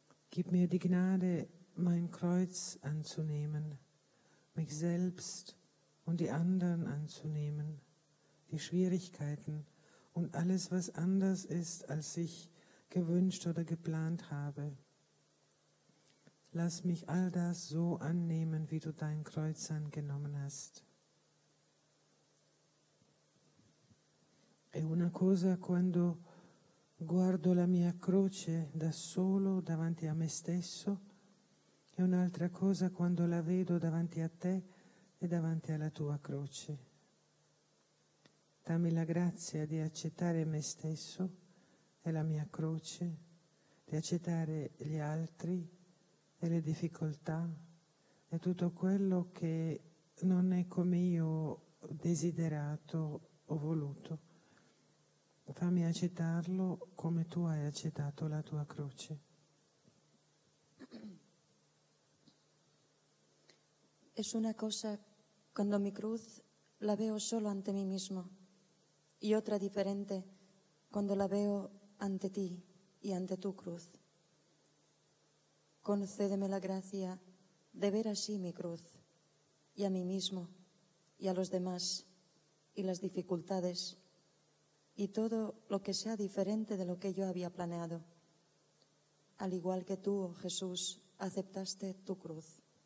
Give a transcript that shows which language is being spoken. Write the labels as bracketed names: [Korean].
[German] Gib mir die Gnade, mein Kreuz anzunehmen, mich selbst und die anderen anzunehmen, die Schwierigkeiten und alles, was anders ist, als ich gewünscht oder geplant habe. Lass mich all das so annehmen, wie du dein Kreuz angenommen hast. [Italian] E una cosa quando guardo la mia croce da solo davanti a me stesso e un'altra cosa quando la vedo davanti a te e davanti alla tua croce. Dammi la grazia di accettare me stesso e la mia croce, di accettare gli altri e le difficoltà e tutto quello che non è come io desiderato o voluto. Fammi accettarlo come tu hai accettato la tua croce. [Spanish] Es una cosa cuando mi cruz la veo solo ante mí mismo y otra diferente cuando la veo ante ti y ante tu cruz. Concédeme la gracia de ver así mi cruz y a mí mismo y a los demás y las dificultades y todo lo que sea diferente de lo que yo había planeado, al igual que tú, Jesús, aceptaste tu cruz.